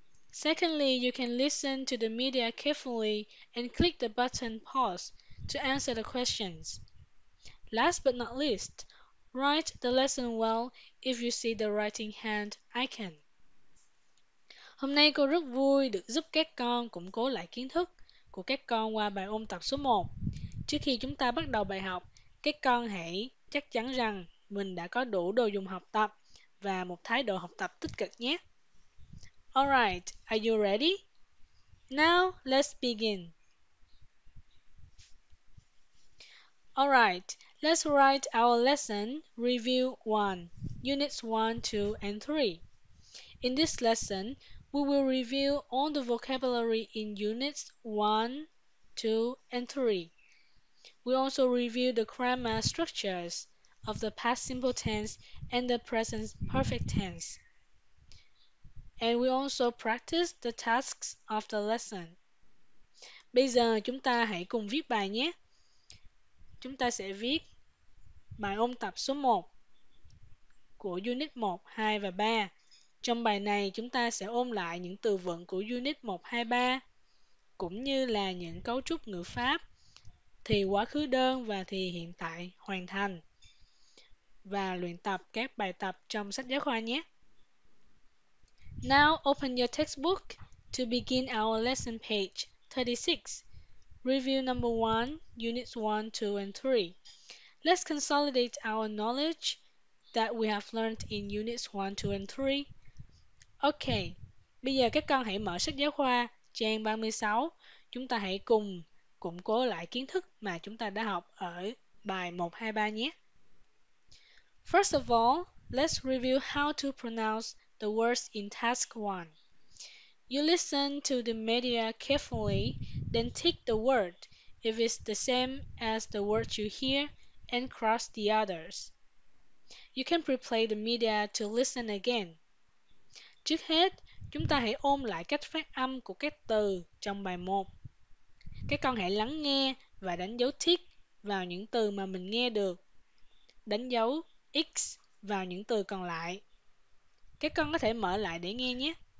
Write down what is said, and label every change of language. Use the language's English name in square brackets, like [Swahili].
[English] Secondly, you can listen to the media carefully and click the button pause to answer the questions. Last but not least, write the lesson well if you see the writing hand icon. [Vietnamese] Hôm nay cô rất vui được giúp các con củng cố lại kiến thức của các con qua bài ôn tập số 1. Trước khi chúng ta bắt đầu bài học, các con hãy chắc chắn rằng mình đã có đủ đồ dùng học tập và một thái độ học tập tích cực nhé. [English] Alright, are you ready? Now, let's begin. Alright, let's write our lesson review 1, units 1, 2, and 3. In this lesson, we will review all the vocabulary in units 1, 2, and 3. We also review the grammar structures of the past simple tense and the present perfect tense. And we also practice the tasks of the lesson. [Vietnamese] Bây giờ chúng ta hãy cùng viết bài nhé. Chúng ta sẽ viết bài ôn tập số 1 của Unit 1, 2 và 3. Trong bài này, chúng ta sẽ ôn lại những từ vựng của Unit 1, 2, 3, cũng như là những cấu trúc ngữ pháp, thì quá khứ đơn và thì hiện tại hoàn thành, và luyện tập các bài tập trong sách giáo khoa nhé. [English] Now open your textbook to begin our lesson page 36. Review number 1, units 1, 2, and 3. Let's consolidate our knowledge that we have learned in units 1, 2, and 3. [Vietnamese] Okay, bây giờ các con hãy mở sách giáo khoa trang 36. Chúng ta hãy cùng củng cố lại kiến thức mà chúng ta đã học ở bài 1, 2, 3 nhé. [English] First of all, let's review how to pronounce the words in task 1. You listen to the media carefully, then tick the word if it's the same as the word you hear and cross the others. You can replay the media to listen again. [Vietnamese] Trước hết, chúng ta hãy ôm lại cách phát âm của các từ trong bài 1. Các con hãy lắng nghe và đánh dấu tick vào những từ mà mình nghe được. Đánh dấu X vào những từ còn lại. Các con có thể mở lại để nghe nhé.